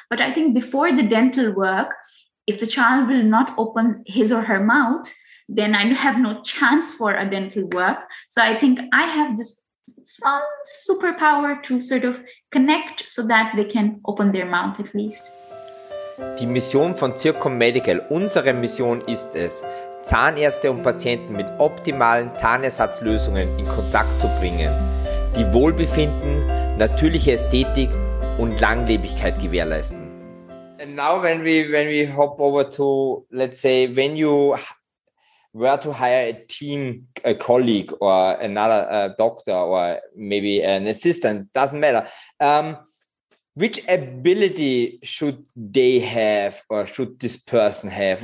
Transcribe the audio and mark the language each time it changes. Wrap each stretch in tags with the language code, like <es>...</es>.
<en>But I think before the dental work, if the child will not open his or her mouth, then I have no chance for a dental work. So I think I have this small superpower to sort of connect so that they can open their mouth at least.</en> <de>Die Mission von Zirkum Medical, unsere Mission ist es, Zahnärzte und Patienten mit optimalen Zahnersatzlösungen in Kontakt zu bringen, die Wohlbefinden, natürliche Ästhetik und Langlebigkeit gewährleisten.</de> <en>And now when we hop over to, let's say, when you were to hire a team, a colleague or another doctor or maybe an assistant, doesn't matter, which ability should they have, or should this person have?</en>